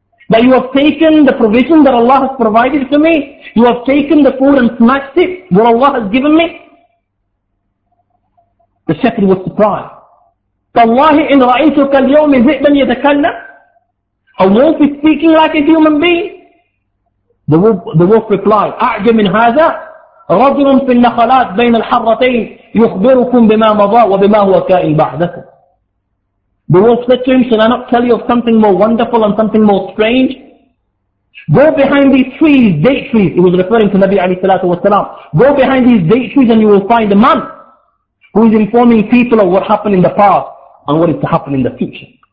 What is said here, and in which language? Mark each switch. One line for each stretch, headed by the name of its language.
English: That you have taken the provision that Allah has provided to me. You have taken the food and smashed it, what Allah has given me. The shepherd was surprised.
Arabic: فَاللَّهِ إِنْ رَأَيْتُكَ الْيَوْمِ ذِئْبًا يَتَكَلَّمُ.
English: A wolf is speaking like a human being. The wolf replied,
Arabic: أَعْجَ مِنْ هَذَا رَجُلٌ فِي النَّخَلَاتِ بَيْنَ الْحَرَّتَيْنِ يُخْبِرُكُمْ بِمَا مَضَى وَبِمَا هُوَ كَائِنٌ بَعْدَكُمْ.
English: The wolf said to him, "Should I not tell you of something more wonderful and something more strange? Go behind these trees, date trees." He was referring to Nabi alayhi salatu wasalam. "Go behind these date trees and you will find a man who is informing people of what happened in the past and what is to happen in the future."